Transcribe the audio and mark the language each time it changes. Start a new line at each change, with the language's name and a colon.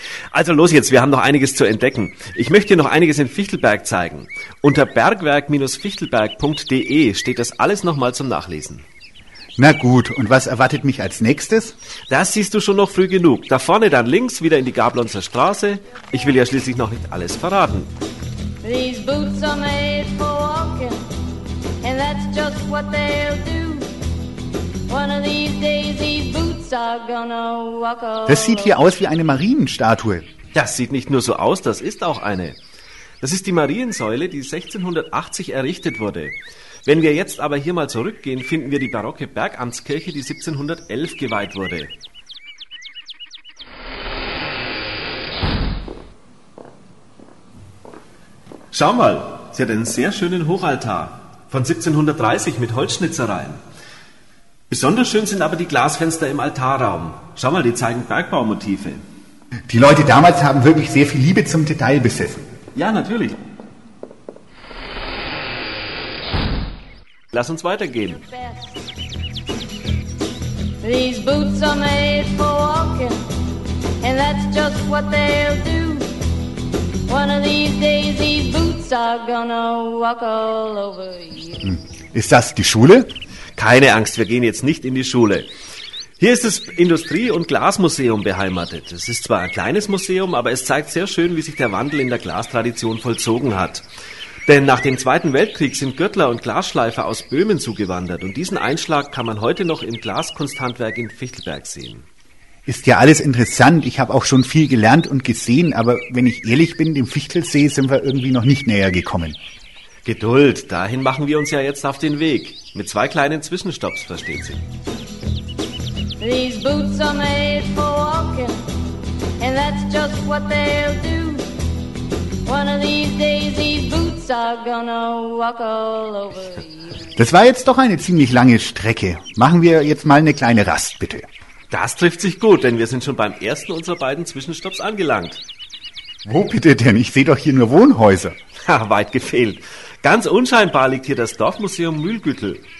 German: Also los jetzt, wir haben noch einiges zu entdecken. Ich möchte dir noch einiges in Fichtelberg zeigen. Unter bergwerk-fichtelberg.de steht das alles nochmal zum Nachlesen. Na gut, und was erwartet mich als nächstes? Das siehst du schon noch früh genug. Da vorne dann links, wieder in die Gablonzer Straße. Ich will ja schließlich noch nicht alles verraten.
English: These boots are made for walking, and that's just what they'll do. One of these days these boots are gonna walk away.
German: Das sieht hier aus wie eine Marienstatue. Das sieht nicht nur so aus, das ist auch eine. Das ist die Mariensäule, die 1680 errichtet wurde. Wenn wir jetzt aber hier mal zurückgehen, finden wir die barocke Bergamtskirche, die 1711 geweiht wurde. Schau mal, sie hat einen sehr schönen Hochaltar von 1730 mit Holzschnitzereien. Besonders schön sind aber die Glasfenster im Altarraum. Schau mal, die zeigen Bergbaumotive. Die Leute damals haben wirklich sehr viel Liebe zum Detail besessen. Ja, natürlich. Lass uns weitergehen.
English: These boots are made for walking, and that's just what they'll do. One of these days these boots are gonna walk all over you.
German: Ist das die Schule? Keine Angst, wir gehen jetzt nicht in die Schule. Hier ist das Industrie- und Glasmuseum beheimatet. Es ist zwar ein kleines Museum, aber es zeigt sehr schön, wie sich der Wandel in der Glastradition vollzogen hat. Denn nach dem Zweiten Weltkrieg sind Göttler und Glasschleifer aus Böhmen zugewandert und diesen Einschlag kann man heute noch im Glaskunsthandwerk in Fichtelberg sehen. Ist ja alles interessant, ich habe auch schon viel gelernt und gesehen, aber wenn ich ehrlich bin, dem Fichtelsee sind wir irgendwie noch nicht näher gekommen. Geduld, dahin machen wir uns ja jetzt auf den Weg. Mit zwei kleinen Zwischenstopps, versteht sie.
English: These boots are made for walking, and that's just what they'll do. One of these days these boots are gonna walk all over you.
German: Das war jetzt doch eine ziemlich lange Strecke. Machen wir jetzt mal eine kleine Rast, bitte. Das trifft sich gut, denn wir sind schon beim ersten unserer beiden Zwischenstopps angelangt. Wo bitte denn? Ich sehe doch hier nur Wohnhäuser. Ha, weit gefehlt. Ganz unscheinbar liegt hier das Dorfmuseum Mühlgüttel.